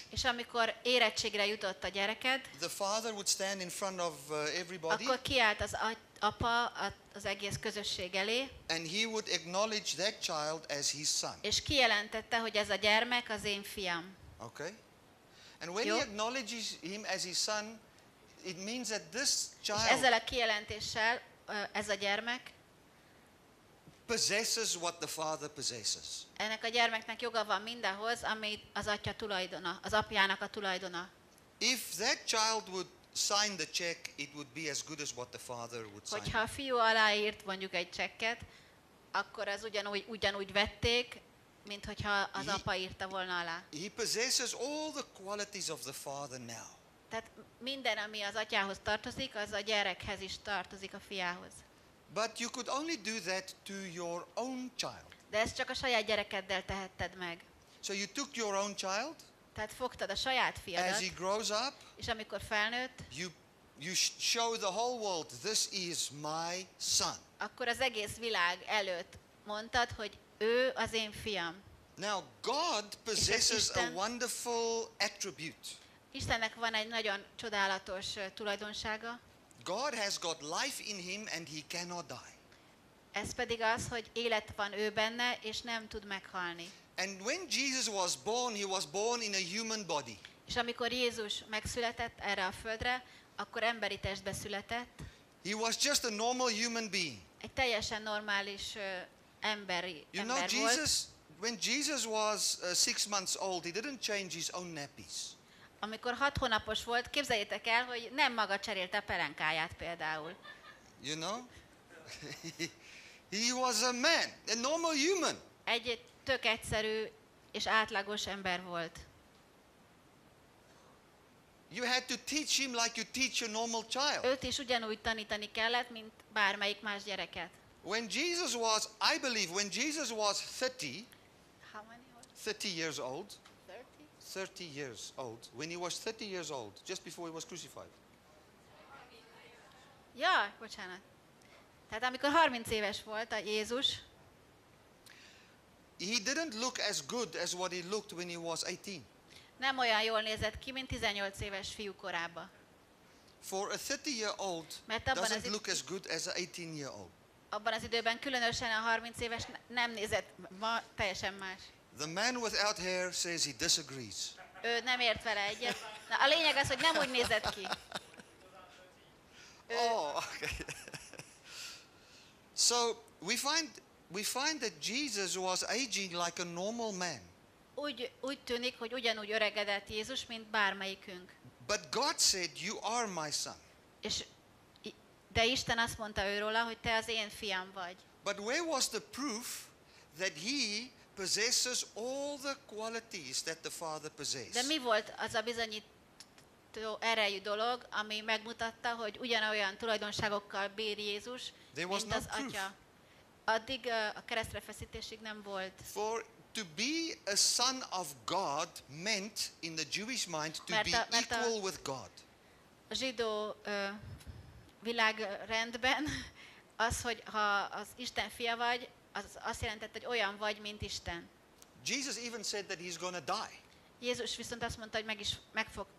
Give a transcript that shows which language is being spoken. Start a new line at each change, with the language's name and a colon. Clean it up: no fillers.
Hungarian: És amikor érettségre jutott a gyereked.
English: The father would stand in front of everybody.
Hungarian: Akkor kiállt az apa az egész közösség elé.
English: And he would acknowledge that child as his son.
Hungarian: És kijelentette, hogy ez a gyermek az én fiam.
English: Okay. And when
Hungarian: jó.
English: He acknowledges him as his son, it means that this child.
Hungarian: És ezzel a kijelentéssel ez a gyermek.
English: Possesses what the father possesses.
Hungarian: Ennek a gyermeknek joga van mindahhoz, amit az atya tulajdona, az apjának a tulajdona.
English: If that child would sign the check, it would be as good as what the father would sign.
Hungarian: Hogyha a fiú aláírt mondjuk egy csekket, akkor ez ugyanúgy vették, mint hogyha az apa írta volna alá.
English: He possesses all the qualities of the father now.
Hungarian: Tehát minden, ami az atyához tartozik, az a gyerekhez is tartozik, a fiához.
English: But you could only do that to your own child.
Hungarian: De ezt csak a saját gyerekeddel tehetted meg.
English: So you took your own child.
Hungarian: Tehát fogtad a saját fiadat.
English: As he grows up.
Hungarian: És amikor felnőtt.
English: You show the whole world, this is my son.
Hungarian: Akkor az egész világ előtt mondtad, hogy ő az én fiam.
English: Now God possesses a wonderful attribute.
Hungarian: Istennek van egy nagyon csodálatos tulajdonsága.
English: God has got life in him and he cannot die.
Hungarian: Ez pedig az, hogy élet van ő benne és nem tud meghalni.
English: And when Jesus was born, he was born in a human body.
Hungarian: És amikor Jézus megszületett erre a földre, akkor emberi testbe született.
English: He was just a normal human being.
Hungarian: Egy teljesen normális emberi
English: you You know
Hungarian: volt.
English: Jesus when Jesus was 6 months old, he didn't change his own nappies.
Hungarian: Amikor 6 hónapos volt, képzeljétek el, hogy nem maga cserélte pelenkáját például.
English: You know? He was a man, a normal human.
Hungarian: Egy tök egyszerű és átlagos ember volt.
English: You had to teach him like you teach a normal child.
Hungarian: Őt is ugyanúgy tanítani kellett, mint bármelyik más gyereket.
English: When Jesus was, I believe, when Jesus was 30, how many was? 30 years old. 30 years old. When he was 30 years old, just before he was crucified.
Hungarian: Ja, bocsánat. Tehát amikor 30 éves volt a Jézus.
English: He didn't look as good as what he looked when he was 18.
Hungarian: Nem olyan jól nézett ki, mint 18 éves fiú korába.
English: For a 30 year old, doesn't look as good as an 18 year old.
Hungarian: Abban az időben különösen a 30 éves nem nézett ma teljesen más.
English: The man without hair says he disagrees.
Hungarian: Ő nem ért vele egyet. Na, a lényeg az, hogy nem úgy nézett ki.
English: Oh, okay. So we find that Jesus was aging like a normal man.
Hungarian: Úgy tűnik, hogy ugyanúgy öregedett Jézus, mint bármelyikünk.
English: But God said, "You are my son."
Hungarian: De Isten azt mondta őróla, hogy te az én fiam vagy.
English: But where was the proof that he possesses all the qualities that the father possesses.
Hungarian: De mi volt az a bizonyító erejű dolog, ami megmutatta, hogy ugyanolyan tulajdonságokkal bír Jézus, mint az atya? Addig a keresztre feszítésig nem volt.
English: For to be a son of God meant in the Jewish mind to be equal with God.
Hungarian: A zsidó világrendben az, hogy ha az Isten fia vagy, az azt jelentett, hogy olyan vagy, mint Isten.
English: Jesus even said that he's going to die.
Hungarian: Jézus viszont azt mondta, hogy meg fog.